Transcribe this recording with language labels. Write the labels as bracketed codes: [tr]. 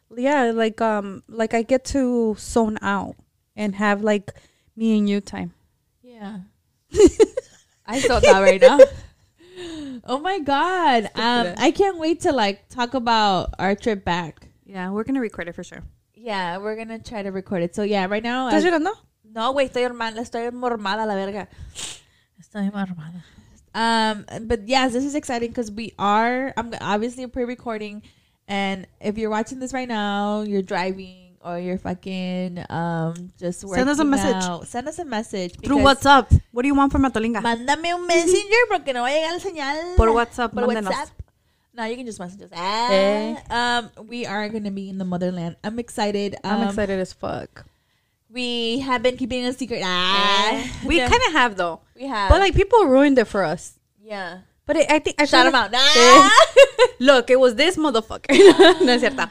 [en] Yeah, like I get to zone out and have like me and you time. Yeah, I saw that right now. Oh my God. I can't wait to like talk about our trip back. Yeah, we're gonna record it for sure. Yeah, we're gonna try to record it. So yeah, right now [es] ¿estás llorando? No, güey, estoy normal, estoy mormada la verga. Estoy mormada. [en] But yes, this is exciting because I'm obviously pre-recording, and if you're watching this right now, you're driving or you're fucking just working. Send us a message. Out. Send us a message. Through WhatsApp. What do you want from Matalinga? [es] Mándame un messenger porque no va a llegar el señal. Por WhatsApp. Por WhatsApp. [en] No, you can just message us. We are going to be in the motherland. I'm excited. I'm excited as fuck. We have been keeping a secret. We kind of have, though. We have. But, like, people ruined it for us. Yeah. But I think... Shout him out. Nah. Look, it was this motherfucker. [es] No, es cierto.